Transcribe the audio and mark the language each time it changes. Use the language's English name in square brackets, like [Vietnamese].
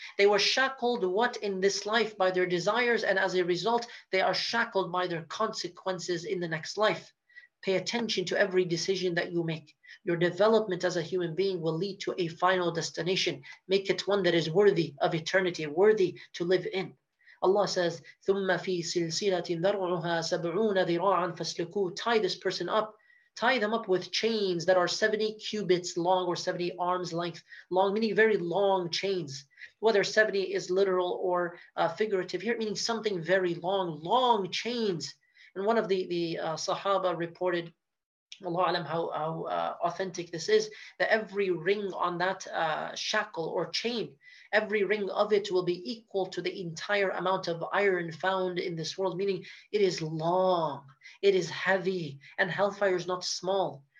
[English] They were shackled, what, in this life by their desires, and as a result, they are shackled by their consequences in the next life. Pay attention to every decision that you make. Your development as a human being will lead to a final destination. Make it one that is worthy of eternity, worthy to live in. Allah says, [Arabic] ثُمَّ فِي سِلْسِلَةٍ ذَرْعُهَا سَبْعُونَ ذِرَاعًا فَاسْلُكُوا. [English] Tie this person up. Tie them up with chains that are 70 cubits long or 70 arms length long, meaning very long chains. Whether 70 is literal or figurative here, meaning something very long, long chains. And one of the Sahaba reported, Allah alam how authentic this is, that every ring on that shackle or chain, every ring of it will be equal to the entire amount of iron found in this world, meaning it is long, it is heavy, and hellfire is not small.